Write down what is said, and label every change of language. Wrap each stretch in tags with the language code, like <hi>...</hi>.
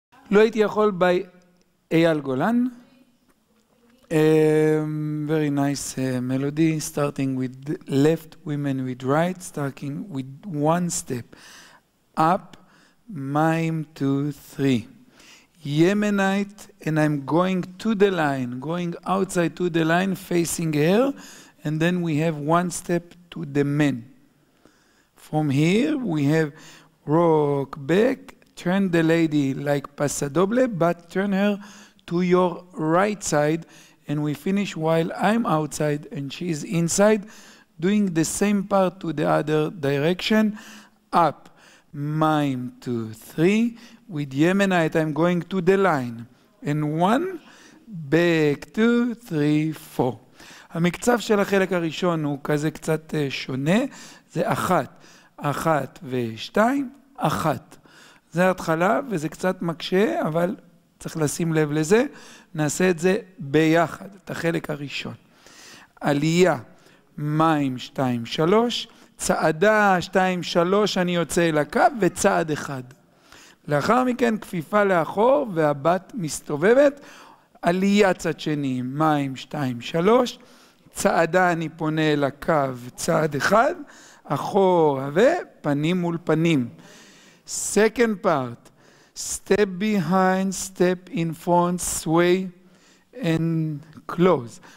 <he>לא הייתי יכול בי אייל גולן.</he> <en>Very nice melody, starting with left women with right, starting with one step. Up, mime, two, three. Yemenite, and I'm going to the line, going outside to the line, facing her, and then we have one step to the men. From here, we have rock back, turn the lady like pasadoble, but turn her to your right side, and we finish while I'm outside and she's inside, doing the same part to the other direction. Up, mime, two, three, with Yemenite, I'm going to the line. And one, back, two, three, four.</en> <he>המקצב של החלק הראשון הוא כזה קצת שונה, זה אחת, אחת ושתיים, אחת. זה ההתחלה וזה קצת מקשה, אבל צריך לשים לב לזה. נעשה את זה ביחד, את החלק הראשון. עלייה, מים, שתיים, שלוש, צעדה, שתיים, שלוש, אני יוצא אל הקו, וצעד אחד. לאחר מכן כפיפה לאחור והבת מסתובבת, עלייה צד שני, מים, שתיים, שלוש, צעדה אני פונה אל הקו, צעד אחד, אחורה ופנים מול פנים.</he> <en>Second part, step behind, step in front, sway and close.</en>